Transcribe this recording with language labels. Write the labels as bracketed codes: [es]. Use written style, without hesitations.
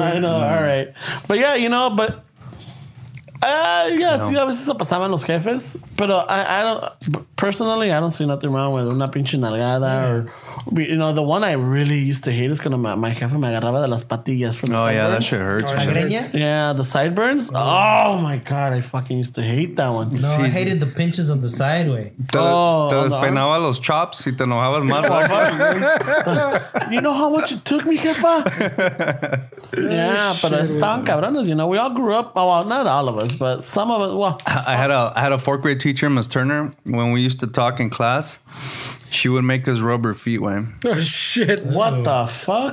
[en] I know. All right. But yeah, you know, but. Yes, [es] a veces se pasaban los jefes, [en] pero I don't personally see nothing wrong with [es] una pinche nalgada [en] or, you know, the one I really used to hate is cuando my jefe [es] me agarraba de las patillas [en] from the sideburns. Oh, yeah, that shit hurts. Sure. Hurts. Yeah, the sideburns. Oh, my God, I fucking used to hate that one. No, I hated the pinches on the side, way. [es] Te despeinaba los chops y te enojabas más. [en] You know how much it took me, jefa? Yeah, oh, [es] pero estaban cabrones, [en] you know, we all grew up, well, not all of us. But some of us, well, I had a fourth grade teacher, Ms. Turner. When we used to talk in class, she would make us rub her feet, man. Oh shit. What the fuck?